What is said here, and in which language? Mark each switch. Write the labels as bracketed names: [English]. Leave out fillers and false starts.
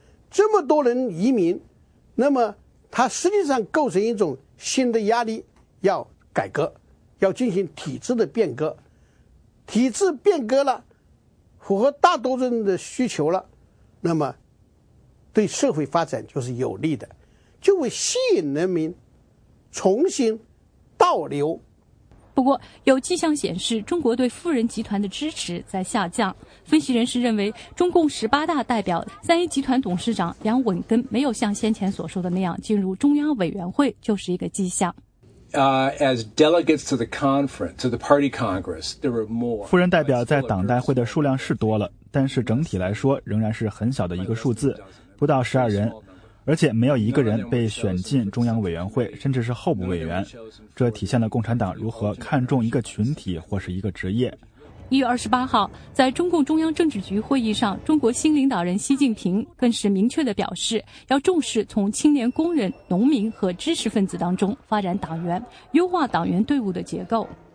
[Chinese] 这么多人移民，那么他实际上构成一种新的压力，要改革，要进行体制的变革，体制变革了，符合大多数人的需求了，那么对社会发展就是有利的，就会吸引人民重新倒流。不过有迹象显示中国对富人集团的支持在下降。分析人士认为，中共十八大代表三一集团董事长梁稳根没有像先前所说的那样进入中央委员会，就是一个迹象。 [English] As delegates to the conference, to the party congress, there were more. [Chinese] 富人代表在党代会的数量是多了，但是整体来说仍然是很小的一个数字，不到十二人，而且没有一个人被选进中央委员会，甚至是候补委员。这体现了共产党如何看重一个群体或是一个职业。 1月28号，在中共中央政治局会议上，中国新领导人习近平更是明确地表示，要重视从青年工人、农民和知识分子当中发展党员，优化党员队伍的结构。